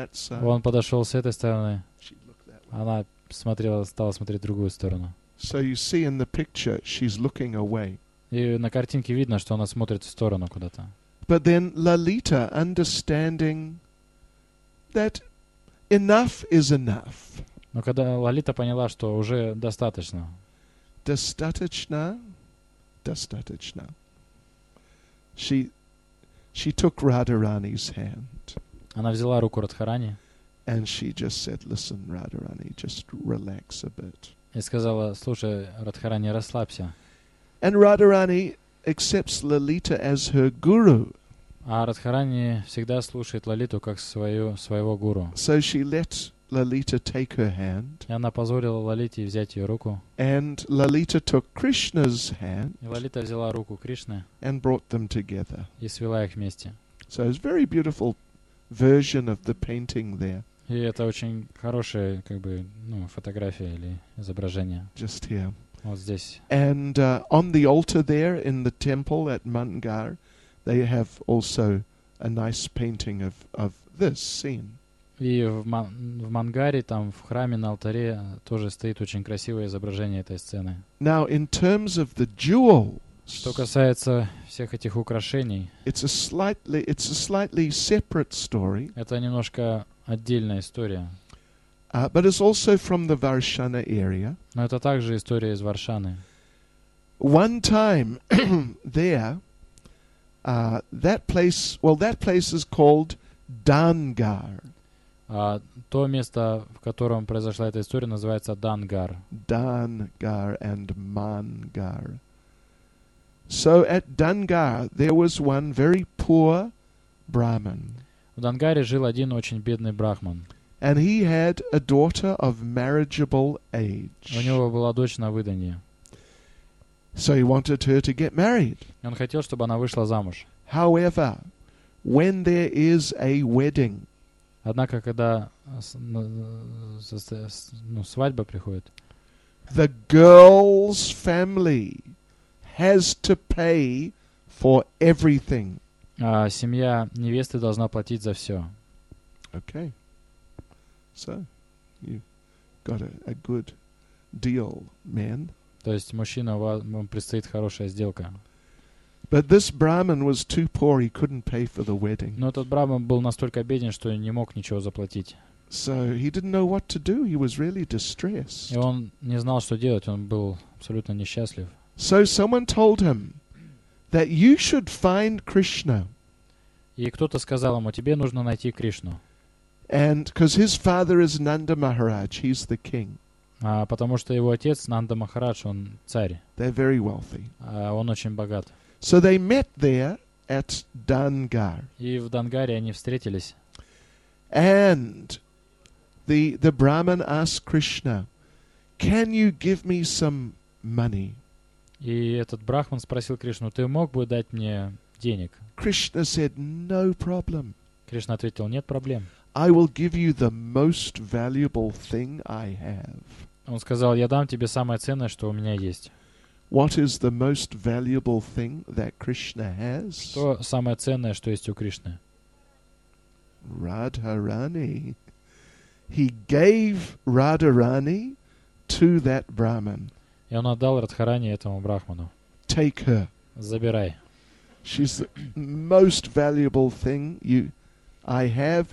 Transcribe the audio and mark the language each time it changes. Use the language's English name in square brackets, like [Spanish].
[Russian] Он подошел с этой стороны. Она стала смотреть в другую сторону. [English] So you see in the picture, she's looking away. [Russian] И на картинке видно, что она смотрит в сторону куда-то. [English] But then Lalita, understanding that enough is enough. [Russian] Но когда Лалита поняла, что уже достаточно. Достаточно. Достаточно. [English] She took Radharani's hand. [Russian] Она взяла руку Радхарани. [English] And she just said, "Listen, Radharani, just relax a bit." [Russian] И сказала: "Слушай, Радхарани, расслабься." [English] And Radharani accepts Lalita as her guru. [Russian] А Радхарани всегда слушает Лалиту как своего гуру. [English] So she let Lalita take her hand. [Russian] И она позволила Лалите взять ее руку. [English] And Lalita took Krishna's hand. [Russian] И Лалита взяла руку Кришны. [English] And brought them together. [Russian] И свела их вместе. [English] So it's a very beautiful version of the painting there. [Russian] И это очень хорошая, фотография или изображение. [English] Just here. [Russian] Вот здесь. [English] And on the altar there in the temple at Mangar, they have also a nice painting of this scene. [Russian] И в Мангаре, там, в храме, на алтаре, тоже стоит очень красивое изображение этой сцены. [English] Now, in terms of the jewels, [Russian] что касается всех этих украшений, [English] it's a slightly separate story, [Russian] это немножко отдельная история. [English] But it's also from the Varshana area. [Russian] Но это также история из Варшаны. [English] One time there, that place is called Dangar. [Russian] То место, в котором произошла эта история, называется Дангар. Дангар and Мангар. [English] So at Dangar there was one very poor Brahmin. [Russian] В Дангаре жил один очень бедный брахман. [English] And he had a daughter of marriageable age. [Russian] У него была дочь на выданье. [English] So he wanted her to get married. [Russian] Он хотел, чтобы она вышла замуж. [English] However, when there is a wedding, [Russian] однако, когда свадьба приходит, [English] the girl's family has to pay for everything. [Russian] Семья невесты должна платить за все. [English] Okay. So, you got a good deal, man. [Russian] То есть, мужчина, вам предстоит хорошая сделка. [English] But this Brahmin was too poor, he couldn't pay for the wedding. [Russian] Но этот Брахман был настолько беден, что не мог ничего заплатить. [English] So he didn't know what to do, he was really distressed. [Russian] И он не знал, что делать, он был абсолютно несчастлив. [English] So someone told him that you should find Krishna. [Russian] И кто-то сказал ему, тебе нужно найти Кришну. [English] And because his father is Nanda Maharaj, he's the king. [Russian] Потому что его отец Нанда Махарадж, он царь. [English] They're very wealthy. [Russian] Он очень богат. [English] So they met there at Dangar. [Russian] И в Дангаре они встретились. [English] And the Brahmin asked Krishna, "Can you give me some money?" [Russian] И этот брахман спросил Кришну, "Ты мог бы дать мне денег?" [English] Krishna said, "No problem." [Russian] Кришна ответил, "Нет проблем." [English] "I will give you the most valuable thing I have." [Russian] Он сказал, "Я дам тебе самое ценное, что у меня есть." [English] What is the most valuable thing that Krishna has? [Russian] Что самое ценное, что есть у Кришны? [English] Radharani. He gave Radharani to that Brahmin. [Russian] И он отдал Радхарани этому брахману. [English] Take her. [Russian] Забирай. [English] She's the most valuable thing I have.